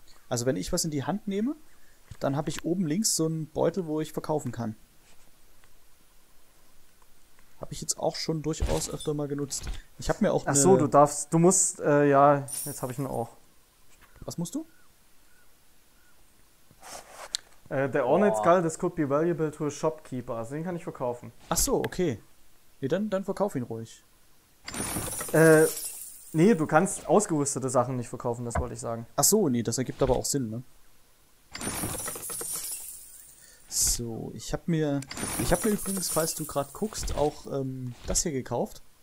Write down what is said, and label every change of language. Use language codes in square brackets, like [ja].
[de] Also wenn ich was in die Hand nehme, dann habe ich oben links so einen Beutel, wo ich verkaufen kann. Habe ich jetzt auch schon durchaus öfter mal genutzt. Ich habe mir auch Ach so, du darfst, du musst, ja, jetzt habe ich ihn auch. Was musst du? [en] Der Ornate Skull, this could be valuable to a shopkeeper. [de] Also den kann ich verkaufen. Ach so, okay. Nee, dann verkauf ihn ruhig. Nee, du kannst ausgerüstete Sachen nicht verkaufen, das wollte ich sagen. Ach so, nee, das ergibt aber auch Sinn, ne? So, ich hab mir übrigens, falls du gerade guckst, auch das hier gekauft.